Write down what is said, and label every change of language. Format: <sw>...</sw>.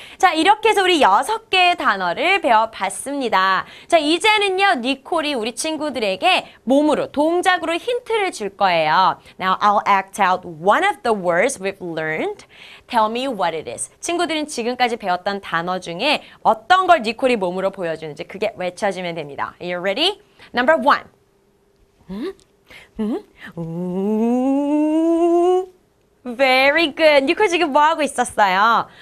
<ko>자, 이렇게 해서 우리 여섯 개의 단어를 배워봤습니다. 자, 이제는요, 니콜이 우리 친구들에게 몸으로, 동작으로 힌트를 줄 거예요.</ko> <en>Now, I'll act out one of the words we've learned. Tell me what it is.</en> <ko>친구들은 지금까지 배웠던 단어 중에 어떤 걸 니콜이 몸으로 보여주는지 그게 외쳐지면 됩니다.</ko> <en>Are you ready? Number one. Very good.</en> <ko>니콜 지금 뭐 하고 있었어요?</ko>